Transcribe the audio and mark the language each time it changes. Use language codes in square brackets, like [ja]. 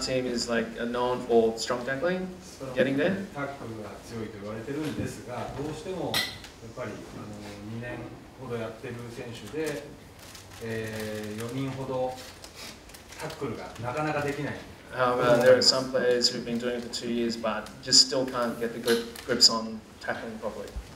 [en] team is like a known for strong tackling, getting there. [ja] タックルが強いと言われてるんですが、どうしてもやっぱり2年ほどやってる選手で。 [en] There are some players who've been doing it for 2 years, but just still can't get the grips on tackling properly.